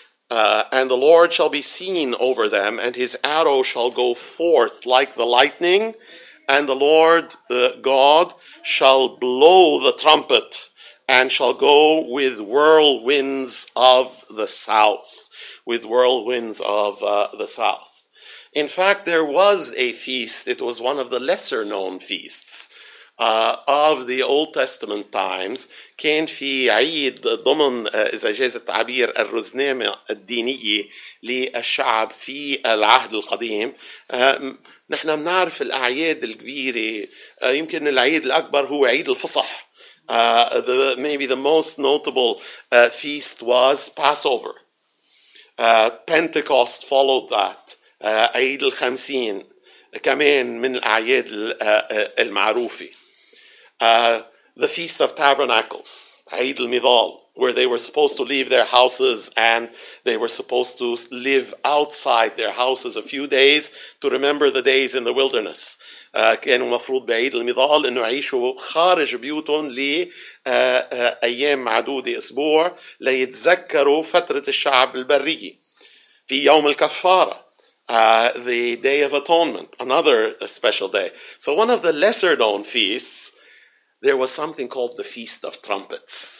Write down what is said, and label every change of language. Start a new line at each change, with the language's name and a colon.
English: And the Lord shall be seen over them, and his arrow shall go forth like the lightning, and the Lord God shall blow the trumpet and shall go with whirlwinds of the south. With whirlwinds of the south. In fact, there was a feast. It was one of the lesser known feasts of the Old Testament times.
Arabic: كان في عيد ضمن إذا جاز التعبير الرزنامة الدينية للشعب في العهد القديم. نحن بنعرف الأعياد الكبيرة. يمكن العيد الأكبر هو عيد الفصح.
English: Maybe the most notable feast was Passover. Pentecost followed that.
Arabic: عيد الخمسين كمان من الأعياد المعروفة.
English: The Feast of Tabernacles, عيد المظال, where they were supposed to leave their houses and they were supposed to live outside their houses a few days to remember the days in the wilderness.
Arabic: كانوا مفروض بعيد المظال إنه يعيشوا خارج بيوتهم لأيام معدودة أسبوع ليتذكروا فترة الشعب البرية في يوم الكفارة.
English: The Day of Atonement, another special day. So one of the lesser known feasts, there was something called the Feast of Trumpets.